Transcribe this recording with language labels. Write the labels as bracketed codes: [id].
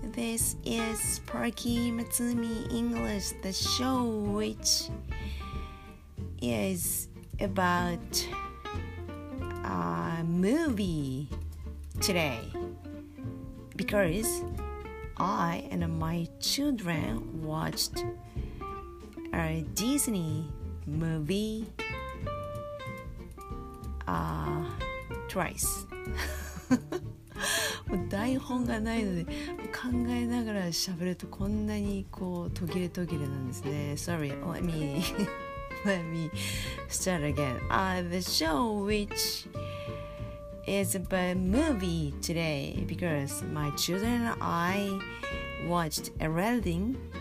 [en] This is Sparky Matsumi English, the show which is about a movie today. Because I and my children watched a Disney movie twice. [ja] 台本がないので考えながら喋るとこんなにこう途切れ途切れなんですね。 [en] Sorry, let me start again. The show which is about movie today because my children and I watched Aladdin.